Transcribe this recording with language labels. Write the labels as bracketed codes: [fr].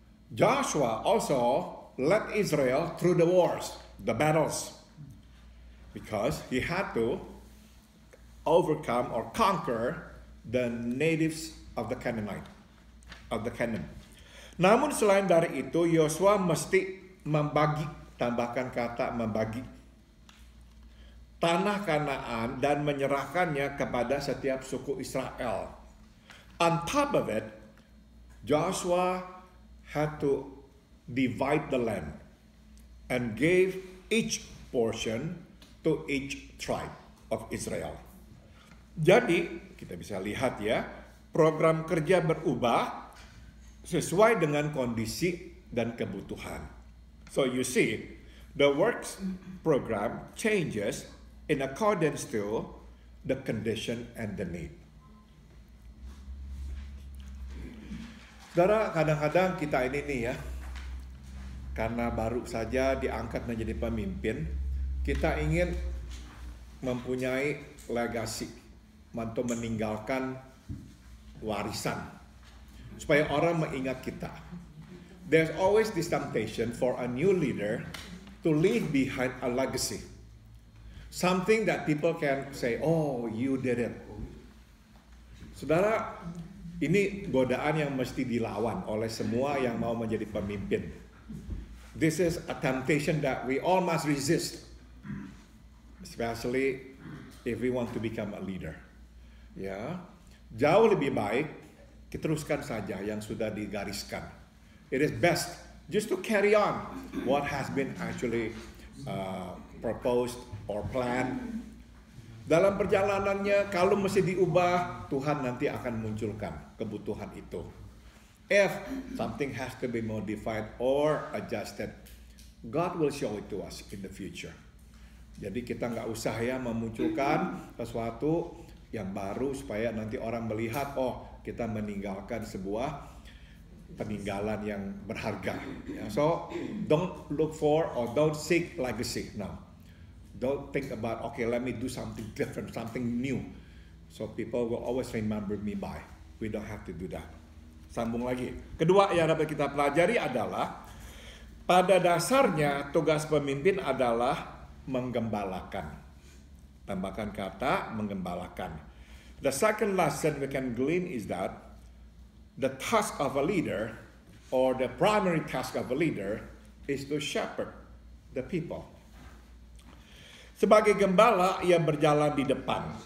[en] Joshua also led Israel through the wars, the battles, because he had to overcome or conquer the natives of the Canaanite, of the Canaan. [id] Namun selain dari itu, Yosua mesti membagi, tambahkan kata membagi, tanah Kanaan dan menyerahkannya kepada setiap suku Israel. [en] On top of it, Joshua had to divide the land and gave each portion to each tribe of Israel. [id] Jadi, kita bisa lihat ya, program kerja berubah sesuai dengan kondisi dan kebutuhan. [en] So you see, the works program changes in accordance to the condition and the need. [id] Saudara, kadang-kadang kita ini nih ya, karena baru saja diangkat menjadi pemimpin, kita ingin mempunyai legasi atau meninggalkan warisan supaya orang mengingat kita. [en] There's always this temptation for a new leader to leave behind a legacy. Something that people can say, oh, you did it. [id] Saudara, ini godaan yang mesti dilawan oleh semua yang mau menjadi pemimpin. [en] This is a temptation that we all must resist, especially if we want to become a leader. [id] Ya, jauh lebih baik kita teruskan saja yang sudah digariskan. [en] It is best just to carry on what has been actually proposed or planned. [id] Dalam perjalanannya, kalau mesti diubah, Tuhan nanti akan munculkan kebutuhan itu. [en] If something has to be modified or adjusted, God will show it to us in the future. [id] Jadi kita gak usah ya memunculkan sesuatu yang baru supaya nanti orang melihat, oh, kita meninggalkan sebuah peninggalan yang berharga. [en] So don't look for or don't seek legacy now. Don't think about, okay, let me do something different, something new, so people will always remember me by. We don't have to do that. [id] Sambung lagi. Kedua yang dapat kita pelajari adalah, pada dasarnya tugas pemimpin adalah menggembalakan. Tambahkan kata menggembalakan. [en] The second lesson we can glean is that the task of a leader or the primary task of a leader is to shepherd the people. [id] Sebagai gembala, ia berjalan di depan.